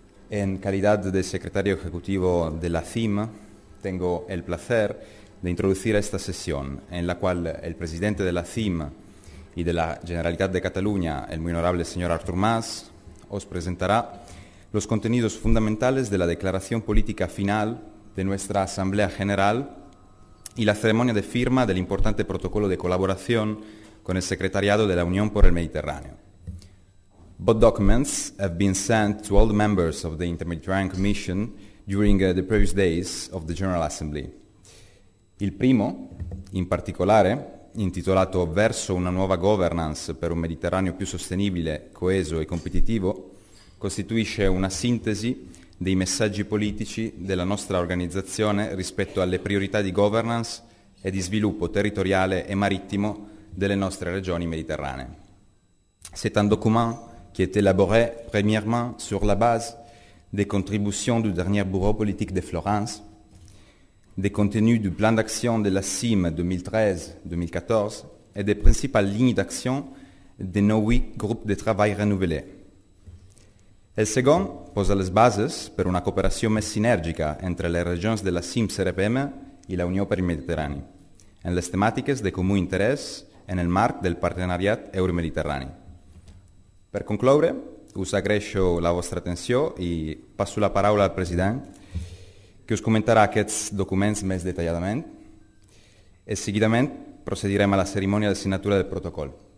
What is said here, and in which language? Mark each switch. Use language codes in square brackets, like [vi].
[es] En calidad de secretario ejecutivo de la CIM, tengo el placer de introducir esta sesión en la cual el presidente de la CIM y de la Generalitat de Cataluña, el muy honorable señor Artur Mas, os presentará los contenidos fundamentales de la declaración política final de nuestra Asamblea General y la ceremonia de firma del importante protocolo de colaboración con el Secretariado de la Unión por el Mediterráneo. [en] Both documents have been sent to all the members of the Inter-Mediterranean Commission during the previous days of the General Assembly. [it] Il primo, in particolare, intitolato Verso una nuova governance per un Mediterraneo più sostenibile, coeso e competitivo, costituisce una sintesi dei messaggi politici della nostra organizzazione rispetto alle priorità di governance e di sviluppo territoriale e marittimo delle nostre regioni mediterranee. [fr] C'est un document qui est élaboré premièrement sur la base des contributions du dernier bureau politique de Florence, des contenus du plan d'action de la CIM 2013-2014 et des principales lignes d'action des nos 8 groupes de travail renouvelés. [ca] El segon posa les bases per una cooperació més sinèrgica entre les regions de la CIM-CRPM i la Unió per el Mediterrani, en les temàtiques de comú interès en el marc del partenariat euromediterrani. Per concloure, us agraeixo la vostra atenció i passo la paraula al president, que us comentarà aquests documents més detalladament, i seguidament procedirem a la cerimònia de signatura del protocol.